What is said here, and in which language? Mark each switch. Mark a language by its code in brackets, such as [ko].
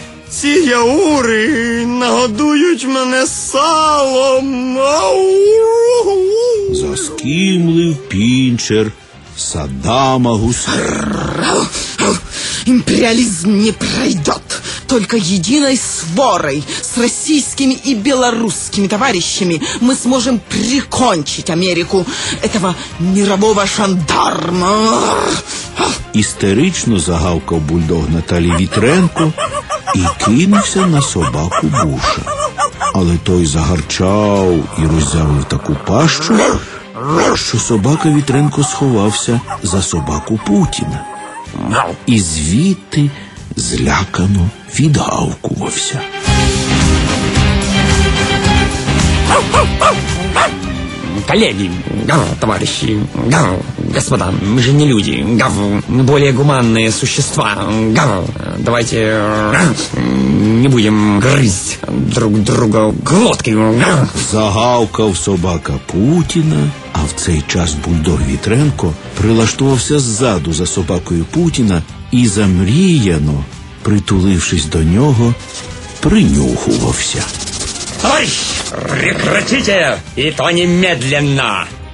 [uk] Ці яури нагодують мене салом. Заскімлив пінчер Саддама Гусейна. Імперіалізм не [ru] пройдет. Только единой сворой с российскими и белорусскими товарищами мы сможем прикончить Америку, этого мирового жандарма. [uk] Истерично загавкав бульдог Наталі Вітренко и кинувся на собаку Буша. Але той загарчав и роззявив таку пащу, що собака Вітренко сховався за собаку Путіна. І звідти злякано відгавкувався. [ru] Коллеги, товарищи, Господа, мы же не люди. Гав. Мы более гуманные существа. Гав. Давайте не будем грызть друг друга глоткой. [uk] Загавкав собака Путіна, а в цей час бульдог Вітренко прилаштувався ззаду за собакою Путіна і замріяно, притулившись до нього, принюхувався. [ru] Товарищ, прекратите! И то немедленно!